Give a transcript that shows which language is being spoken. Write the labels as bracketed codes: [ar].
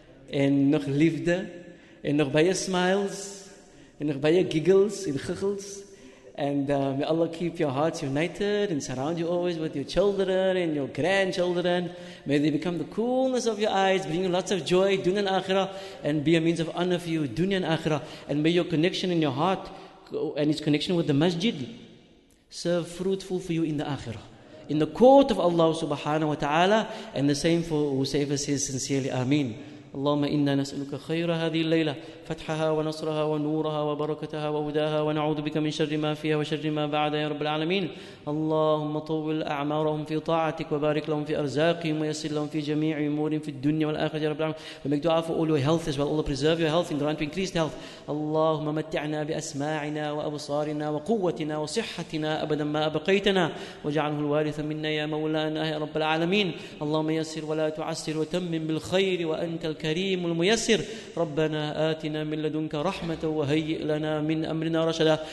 [nl] En nog liefde, en nog bij je smiles, en nog bij je giggles, en giggles. [en] And may Allah keep your hearts united and surround you always with your children and your grandchildren. May they become the coolness of your eyes, bring you lots of joy, dunya and akhirah, and be a means of honor for you, dunya and akhirah. And may your connection in your heart and its connection with the masjid serve fruitful for you in the akhirah. In the court of Allah subhanahu wa ta'ala, and the same for whosoever says sincerely, Ameen. [ar] اللهم إنا نسألك خير هذه الليلة فتحها ونصرها ونورها وبركتها وهداها ونعوذ بك من شر ما فيها وشر ما بعدها يا رب العالمين. اللهم طول أعمارهم في طاعتك وبارك لهم في أرزاقهم ويسر لهم في جميع أمورهم في الدنيا والآخرة يا رب العالمين. [en] We make dua for all your health as well. Allah preserve your health and grant you increased health. [ar] اللهم متعنا بأسماعنا وأبصارنا وقوتنا وصحتنا أبدا ما أبقيتنا وجعله الوارث منا يا مولانا يا رب العالمين. اللهم يسر ولا تعسر وتمم بالخير وأنت الكريم الميسر. ربنا آتنا من لدنك رحمة وهيئ لنا من أمرنا رشدا.